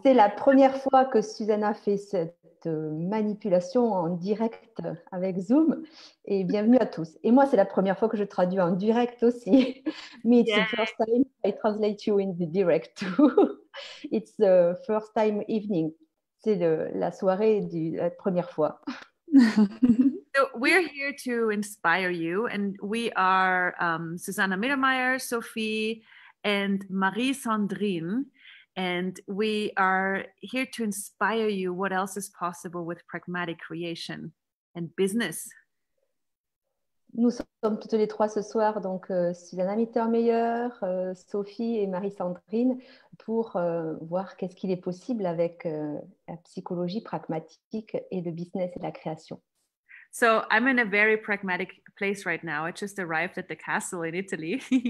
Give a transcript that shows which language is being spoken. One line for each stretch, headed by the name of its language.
French: C'est la première fois que Susanna fait cette manipulation en direct avec Zoom. Et bienvenue à tous. Et moi, c'est la première fois que je traduis en direct aussi.
English: Mais it's Yay. the first time I translate you in the direct too.
French: It's the first time evening. C'est la soirée de la première fois.
English: We're here to inspire you, and we are Susanna Mittermeier, Sophie, and Marie-Sandrine, and we are here to inspire you what else is possible with pragmatic creation and business.
French: Nous sommes toutes les trois ce soir, donc Susanna Mittermeier, Sophie et Marie-Sandrine, pour voir qu'est-ce qu'il est possible avec la psychologie pragmatique et le business et la création.
English: So I'm in a very pragmatic place right now. I just arrived at the castle in Italy.